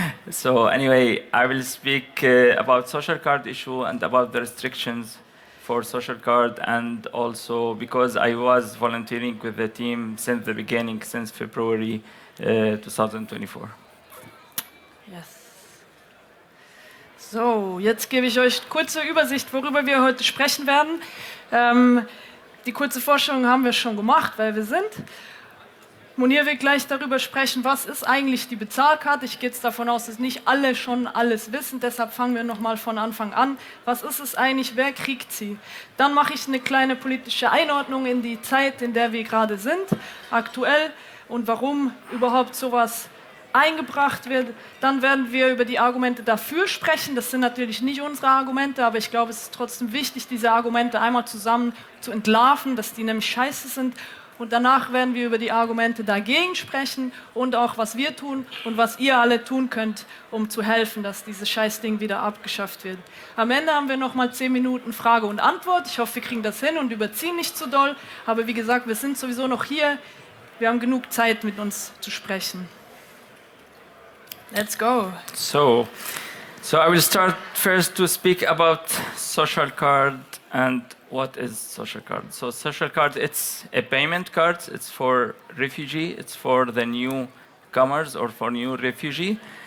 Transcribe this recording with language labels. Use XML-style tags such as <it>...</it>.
<en>So anyway, I will speak about social card issue and about the restrictions for social card, and also because I was volunteering with the team since the beginning, since February 2024.</en> <de>So, jetzt gebe ich euch kurze Übersicht, worüber wir heute sprechen werden. Die kurze Vorstellung haben wir schon gemacht, weil wir sind. Munir wird gleich darüber sprechen, was ist eigentlich die Bezahlkarte. Ich gehe jetzt davon aus, dass nicht alle schon alles wissen. Deshalb fangen wir nochmal von Anfang an. Was ist es eigentlich? Wer kriegt sie? Dann mache ich eine kleine politische Einordnung in die Zeit, in der wir gerade sind, aktuell, und warum überhaupt sowas eingebracht wird. Dann werden wir über die Argumente dafür sprechen. Das sind natürlich nicht unsere Argumente, aber ich glaube, es ist trotzdem wichtig, diese Argumente einmal zusammen zu entlarven, dass die nämlich scheiße sind. Und danach werden wir über die Argumente dagegen sprechen und auch, was wir tun und was ihr alle tun könnt, um zu helfen, dass dieses Scheißding wieder abgeschafft wird. Am Ende haben wir nochmal 10 Minuten Frage und Antwort. Ich hoffe, wir kriegen das hin und überziehen nicht zu doll. Aber wie gesagt, wir sind sowieso noch hier. Wir haben genug Zeit, mit uns zu sprechen.</de> <en>Let's go. So I will start first to speak about social card and what is social card. So social card, it's a payment card. It's for refugee. It's for the newcomers or for new refugee.</en>